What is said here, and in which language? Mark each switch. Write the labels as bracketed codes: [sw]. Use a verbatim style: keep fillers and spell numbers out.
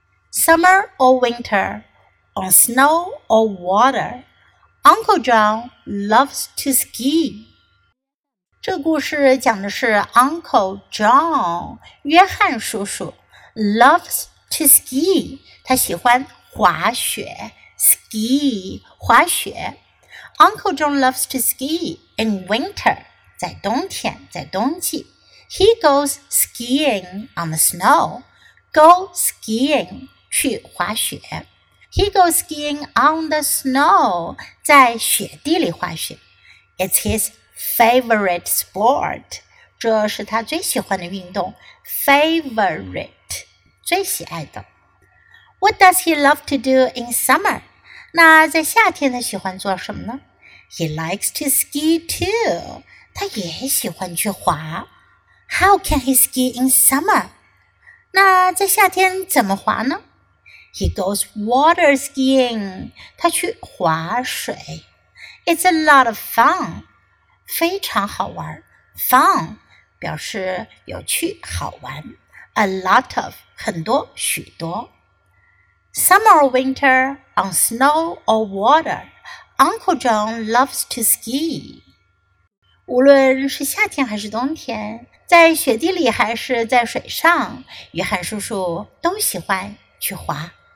[en] Summer or winter, on snow or water, Uncle John loves to ski. [zh] 这故事讲的是 Uncle John, 约翰叔叔 [en] loves to ski. [zh] 他喜欢滑雪 ski, 滑雪。 [en] Uncle John loves to ski in winter, [zh] 在冬天，在冬季。 [en] He goes skiing on the snow. Go skiing, [zh] 去滑雪。 [en] He goes skiing on the snow, [zh] 在雪地里滑雪。 [en] It's his favorite sport. [zh] 这是他最喜欢的运动。 Favorite, 最喜爱的。 [en] What does he love to do in summer? [zh] 那在夏天他喜欢做什么呢？ [en] He likes to ski too. [zh] 他也喜欢去滑。 [en] How can he ski in summer? [zh] 那在夏天怎么滑呢？ [en] He goes water skiing. 他去滑水。 It's a lot of fun. [zh] 非常好玩。 Fun 表示有趣好玩。 [en] A lot of [zh] 很多许多。 [en] Summer or winter, on snow or water, Uncle John loves to ski. [zh] 无论是夏天还是冬天，在雪地里还是在水上，约翰叔叔都喜欢去滑。